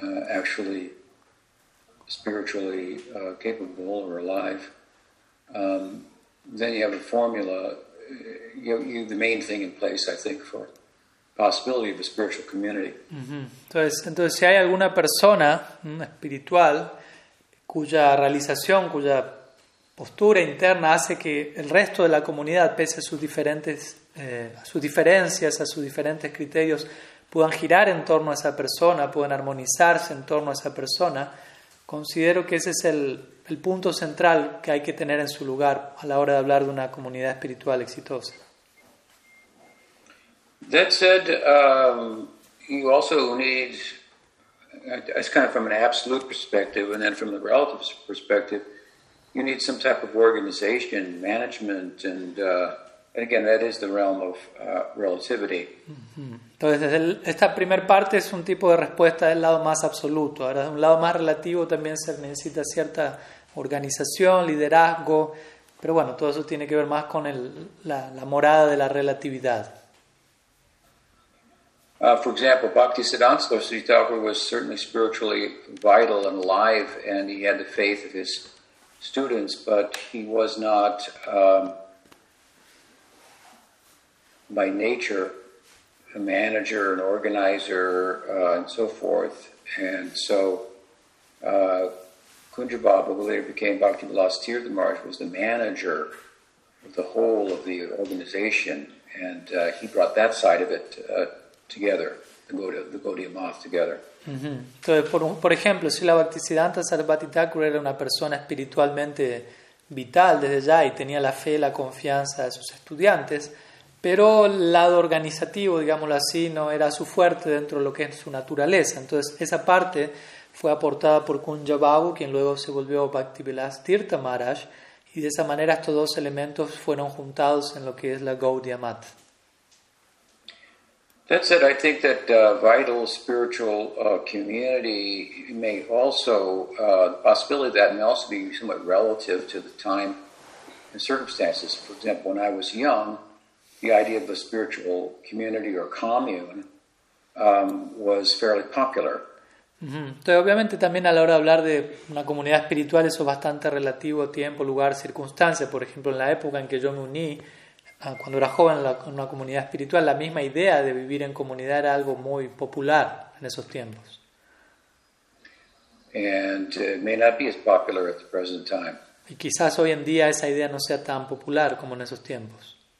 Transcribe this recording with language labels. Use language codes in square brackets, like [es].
[en] actually spiritually capable or alive, then you have a formula, you have the main thing in place, I think, for possibility of a spiritual community. Mm-hmm. [es] Entonces, si hay alguna persona espiritual cuya realización, cuya postura interna hace que el resto de la comunidad, pese a sus diferentes, a sus diferencias, a sus diferentes criterios, puedan girar en torno a esa persona, puedan armonizarse en torno a esa persona, considero que ese es el punto central que hay que tener en su lugar a la hora de hablar de una comunidad espiritual exitosa. [en] That said, you also need, it's kind of from an absolute perspective and then from the relative perspective, you need some type of organization, management, and again, that is the realm of relativity. Mm-hmm. [es] Entonces, esta primera parte es un tipo de respuesta del lado más absoluto. Ahora, de un lado más relativo también se necesita cierta organización, liderazgo, pero bueno, todo eso tiene que ver más con la morada de la relatividad. [en] For example, Bhaktisiddhanta Saraswati Thakur was certainly spiritually vital and alive, and he had the faith of his students, but he was not, by nature, a manager, an organizer, and so forth. And so Kunja Baba, who later became Bhakti Vilas Tirtha Maharaj, was the manager of the whole of the organization. And he brought that side of it together, the Gaudiya Math together. Mm-hmm. [es] Entonces, por ejemplo, si la Bhaktisiddhanta Saraswati Thakur era una persona espiritualmente vital desde ya y tenía la fe, la confianza de sus estudiantes, pero el lado organizativo, digámoslo así, no era su fuerte dentro de lo que es su naturaleza. Entonces, esa parte fue aportada por Kunja Babu, quien luego se volvió Bhakti Vilas Tirtha Maharaj, y de esa manera estos dos elementos fueron juntados en lo que es la Gaudiya Math. [en] That said, I think that vital spiritual community may also, the possibility of that may also be somewhat relative to the time and circumstances. For example, when I was young, the idea of a spiritual community or commune was fairly popular. Mm-hmm. [es] Entonces, obviamente también a la hora de hablar de una comunidad espiritual eso es bastante relativo a tiempo, lugar, circunstancia. Por ejemplo, en la época en que yo me uní cuando era joven en una comunidad espiritual, la misma idea de vivir en comunidad era algo muy popular en esos tiempos. [en] And it may not be as popular at the present time. [es] Y quizás hoy en día esa idea no sea tan popular como en esos tiempos.